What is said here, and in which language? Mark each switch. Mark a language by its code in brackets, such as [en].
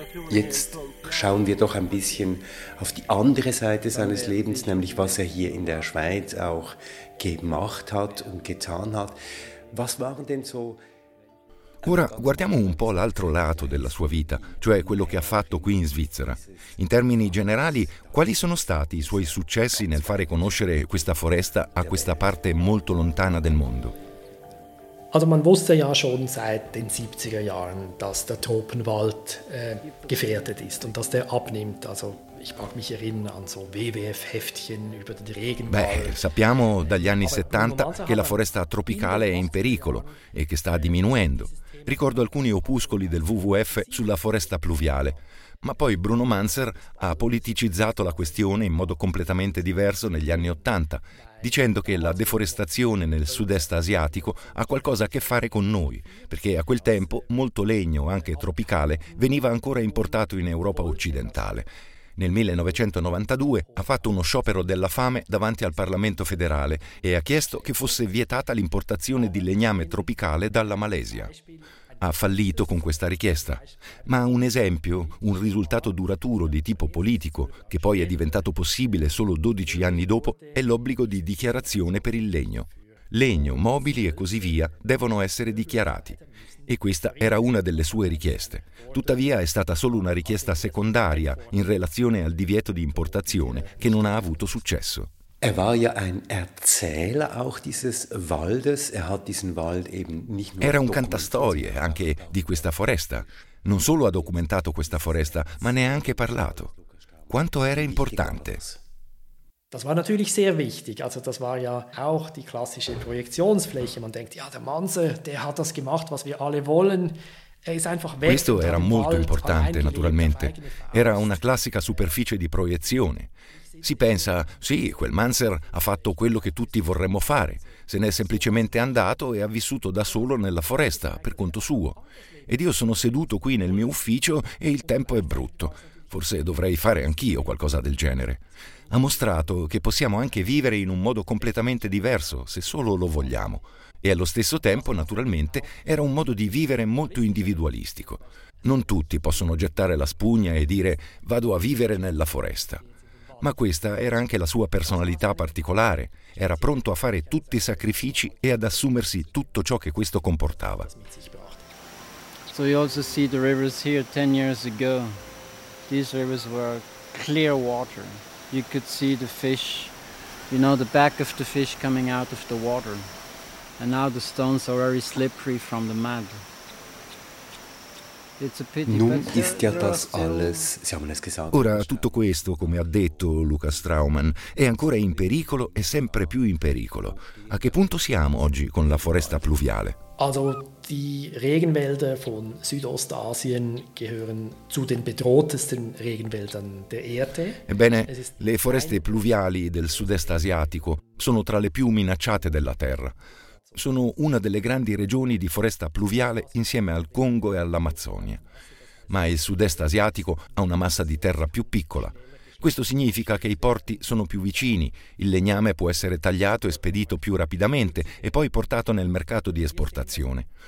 [de] Jetzt schauen wir doch ein bisschen auf die andere Seite seines Lebens, nämlich was er hier in der Schweiz auch gemacht hat und getan hat. Was waren denn so... [it] Ora guardiamo un po' l'altro lato della sua vita, cioè quello che ha fatto qui in Svizzera. In termini generali, quali sono stati i suoi successi nel fare conoscere questa foresta a questa parte molto lontana del mondo? [de] Also man wusste ja schon seit den 70er Jahren, dass der Tropenwald gefährdet ist und dass der abnimmt, also ich mag mich erinnern an so WWF-Heftchen über den Regenwald. [it] Beh, sappiamo dagli anni 70 che la foresta tropicale è in pericolo e che sta diminuendo. Ricordo alcuni opuscoli del WWF sulla foresta pluviale, ma poi Bruno Manzer ha politicizzato la questione in modo completamente diverso negli anni Ottanta, dicendo che la deforestazione nel sud-est asiatico ha qualcosa a che fare con noi, perché a quel tempo molto legno, anche tropicale, veniva ancora importato in Europa occidentale. Nel 1992 ha fatto uno sciopero della fame davanti al Parlamento federale e ha chiesto che fosse vietata l'importazione di legname tropicale dalla Malesia. Ha fallito con questa richiesta, ma un esempio, un risultato duraturo di tipo politico, che poi è diventato possibile solo 12 anni dopo, è l'obbligo di dichiarazione per il legno. Legno, mobili e così via devono essere dichiarati. E questa era una delle sue richieste. Tuttavia è stata solo una richiesta secondaria in relazione al divieto di importazione che non ha avuto successo. [de] Er war ja ein Erzähler auch dieses Waldes. Er hat diesen Wald eben nicht nur [it] Era un cantastorie anche di questa foresta. Non solo ha documentato questa foresta, ma ne ha anche parlato. Quanto era importante? [de] Das war natürlich sehr wichtig. Also das war ja auch die klassische Projektionsfläche. Man denkt, ja, der Manzer, der hat das gemacht, was wir alle wollen. [it] Questo era molto importante, naturalmente. Era una classica superficie di proiezione. Si pensa, sì, quel Manser ha fatto quello che tutti vorremmo fare. Se n'è semplicemente andato e ha vissuto da solo nella foresta, per conto suo. Ed io sono seduto qui nel mio ufficio e il tempo è brutto. Forse dovrei fare anch'io qualcosa del genere. Ha mostrato che possiamo anche vivere in un modo completamente diverso, se solo lo vogliamo. E allo stesso tempo, naturalmente, era un modo di vivere molto individualistico. Non tutti possono gettare la spugna e dire «vado a vivere nella foresta». Ma questa era anche la sua personalità particolare. Era pronto a fare tutti i sacrifici e ad assumersi tutto ciò che questo comportava. [en] So you also see the rivers here 10 years ago. These rivers were clear water. You could see the fish, you know, the back of the fish coming out of the water. And now the stones are very slippery from the mud. [de] Nun ist ja das alles, Sie haben es gesagt. [it] Ora tutto questo, come ha detto Luca Straumann, è ancora in pericolo e sempre più in pericolo. A che punto siamo oggi con la foresta pluviale? [de] Also die Regenwälder von Südostasien gehören zu den bedrohtesten Regenwäldern der Erde. [it] Ebbene, le foreste pluviali del sud-est asiatico sono tra le più minacciate della Terra. Sono una delle grandi regioni di foresta pluviale insieme al Congo e all'Amazzonia. Ma il sud-est asiatico ha una massa di terra più piccola. Questo significa che i porti sono più vicini, il legname può essere tagliato e spedito più rapidamente e poi portato nel mercato di esportazione.